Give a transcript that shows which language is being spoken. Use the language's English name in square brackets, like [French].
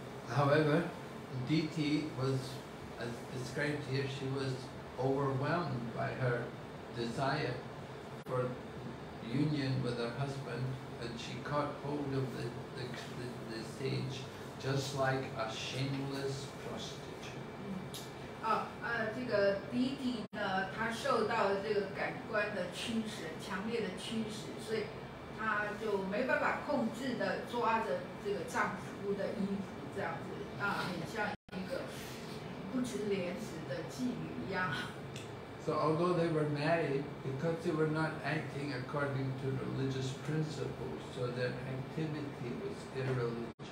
[English] However, Diti was, as described here, she was overwhelmed by her desire for union with her husband, and she caught hold of the sage. Just like a shameless prostitute. [Chinese] 这个迪迪呢，他受到这个感官的侵蚀，强烈的侵蚀，所以他就没办法控制的抓着这个丈夫的衣服，这样子啊，很像一个不知廉耻的妓女一样。 [English] So although they were married, because they were not acting according to religious principles, so their activity was irreligious.